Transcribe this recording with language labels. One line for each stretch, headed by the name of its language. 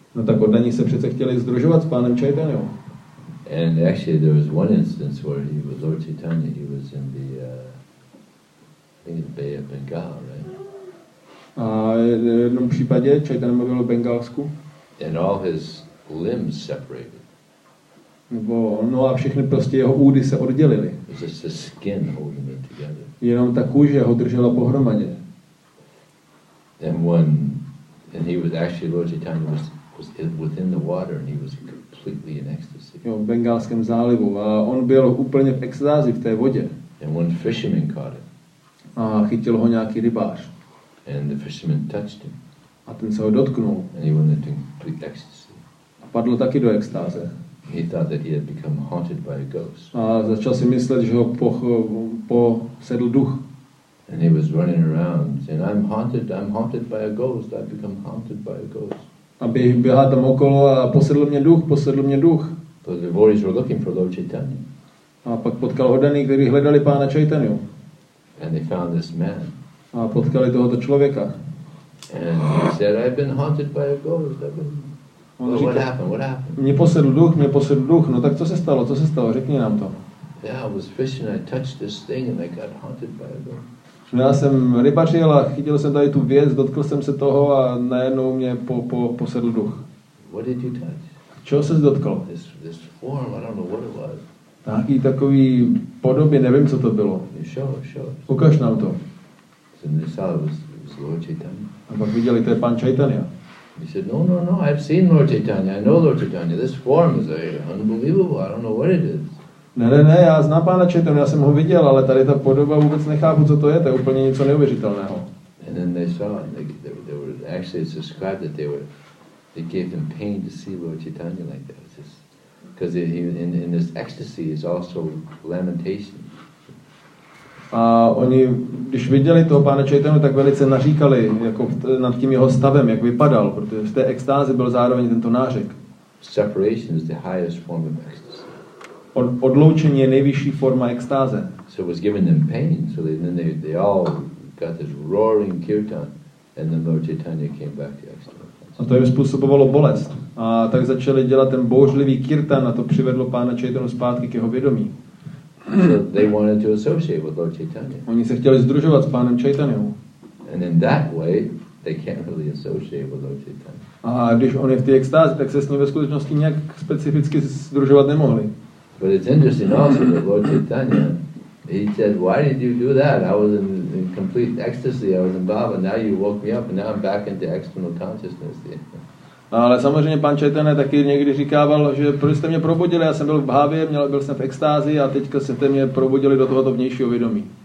Czech: No tak oddaní se přece chtěli sdružovat s pánem Chaitanyou.
English: And actually there was one instance where he was Lord Chaitanya, he was in the Bay of Bengal, right?
Czech: A v jednom případě Chaitanya byl v Bengalsku.
English: And all his limbs separated.
Czech: Nebo, no a všechny prostě jeho údy se oddělily.
English: It was just the skin holding it together.
Czech: Jenom ta kůže ho držela pohromadě.
English: And he was actually Lord Chaitanya was within the water and he was completely in ecstasy.
Czech: Jo, v Bengalském zálivu a on byl úplně v extázi v té vodě.
English: And one fisherman caught it.
Czech: A chytil ho nějaký rybář.
English: And the fisherman touched him.
Czech: A ten se ho dotknul.
English: And he went into complete ecstasy.
Czech: A padl taky do extáze.
English: He thought that he had become haunted by a ghost.
Czech: A začal si myslet, že ho posedl duch.
English: And he was running around saying, I'm haunted by a ghost, I've become haunted by a ghost.
Czech: A běhá tam okolo a posedl mě duch.
English: The devotees were looking for Lord Chaitanya.
Czech: A pak potkal oddaný, který hledali pána Chaitanyu.
English: And they found this man.
Czech: A potkali tohoto člověka.
English: And he said, I've been haunted by a ghost, What happened?
Czech: Mě posedl duch, no tak co se stalo, řekni nám to.
English: Yeah, I was fishing, I touched this thing and I got haunted by a ghost.
Czech: Já jsem rybařil a chytil jsem tady tu věc, dotkl jsem se toho a najednou mě posedl duch.
English: What did you touch?
Czech: Čeho ses dotkl?
English: This form, I don't know what it was.
Czech: Taký takový podobě, nevím, co to bylo.
English: Show.
Czech: Ukaž nám to.
English: It was Lord Chaitanya.
Czech: A pak viděli, to je pán Chaitanya.
English: He said, no, I've seen Lord Chaitanya, I know Lord Chaitanya. This form is unbelievable, I don't know what it is.
Czech: Ne, já znám pána Chaitanya, já jsem ho viděl, ale tady ta podoba vůbec nechápu, co to je úplně něco neuvěřitelného.
English: And then they saw, they were, actually it's described that they gave them pain to see Lord Chaitanya like that. Because in this ecstasy is also lamentation.
Czech: A oni, když viděli toho pána Chaitanya, tak velice naříkali jako nad tím jeho stavem, jak vypadal, protože v té extázi byl zároveň tento nářek.
English: Separation is the highest form of ecstasy.
Czech: Odloučení je nejvyšší forma extáze.
English: So it was giving them pain, so then they all got this roaring kirtan, and then Lord Chaitanya came back to extáze.
Czech: A to jim způsobovalo bolest. A tak začali dělat ten bouřlivý kirtan, a to přivedlo pána Chaitanyu zpátky k jeho vědomí.
English: So they wanted to associate with Lord Chaitanya.
Czech: Oni se chtěli sdružovat s pánem Chaitanyou.
English: And in that way, they can't really associate with Lord Chaitanya.
Czech: A když on je v té extázi, tak se s ním ve skutečnosti nějak specificky sdružovat nemohli.
English: But it's interesting also that Lord Chaitanya, he said, why did you do that? I was in complete ecstasy, I was in Baba, now you woke me up and now I'm back into external consciousness.
Czech: Ale samozřejmě pan Chaitanya taky někdy říkával, že proč jste mě probudili, já jsem byl v Bhavě, byl jsem v extázi a teďka jste mě probudili do tohoto vnějšího vědomí.